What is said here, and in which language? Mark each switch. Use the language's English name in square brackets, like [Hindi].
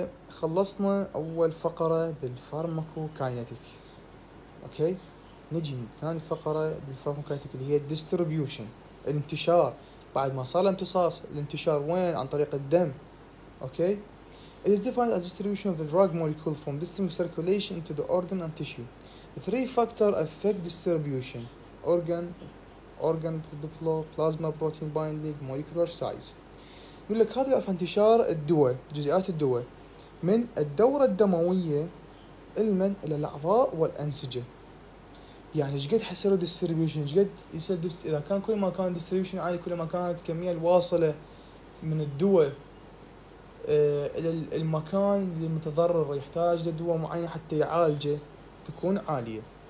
[Arabic] خلصنا أول فقرة بالفارماكوكاينتيك، أوكي؟ نجي ثاني فقرة بالفارماكوكاينتيك اللي هي الديستريبيوشن، الانتشار بعد ما صار الامتصاص، الانتشار وين؟ عن طريق الدم، أوكي؟ [English] It is defined as distribution of the drug molecule from distant circulation into the organ and tissue. The three factor affect distribution: organ blood flow, plasma protein binding, molecular size. [Arabic] يقول لك هذا يعرف انتشار الدواء، جزيئات الدواء من الدورة الدموية المن إلى الأعضاء والأنسجة. يعني شقد حصير distribution، شقد يصير إذا كان كل ما كان distribution عالي كل ما كانت كمية الواصلة من الدواء إلى المكان المتضرر يحتاج لدواء معين حتى يعالجه تكون عالية.